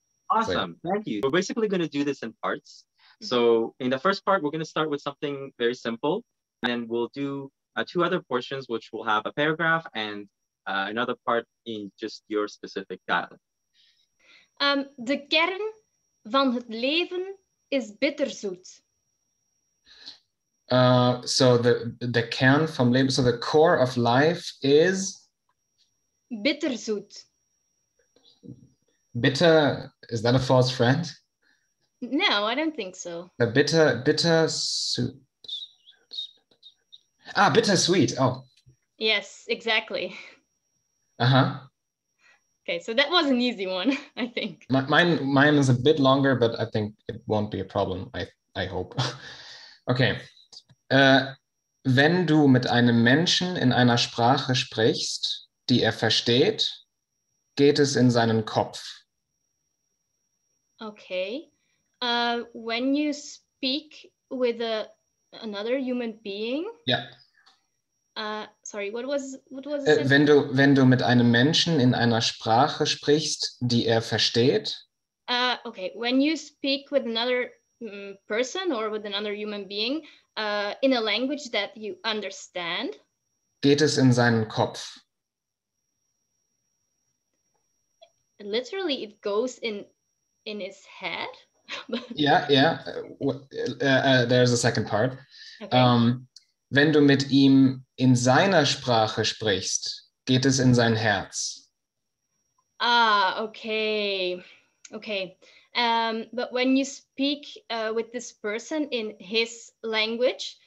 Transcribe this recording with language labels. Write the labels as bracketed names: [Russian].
[English] Awesome. So, thank you. We're basically going to do this in parts. So in the first part, we're going to start with something very simple, and then we'll do two other portions, which will have a paragraph and another part in just your specific dialect. [Dutch] De kern van het leven is bitterzoet. [English] So the [Dutch] kern from leven, [English] so the core of life is [Dutch] bitterzoet. [English] Bitter, is that a false friend? No, I don't think so. The bittersweet. Oh. Yes, exactly. Uh-huh. Okay, so that was an easy one, I think. Mine is a bit longer, but I think it won't be a problem, I hope. Okay. [German] Wenn du mit einem Menschen in einer Sprache sprichst, die versteht, geht es in seinen Kopf. [English] Okay. When you speak with another human being. Yeah. Sorry, what was it? [German] Wenn du mit einem Menschen in einer Sprache sprichst, die versteht. [English] Okay, when you speak with another person or with another human being in a language that you understand. [German] Geht es in seinen Kopf. [English] Literally, it goes in his head. yeah. There's a second part. Okay. [German] Wenn du mit ihm in seiner Sprache sprichst, geht es in sein Herz. [English] Ah, okay. Okay. But when you speak with this person in his language,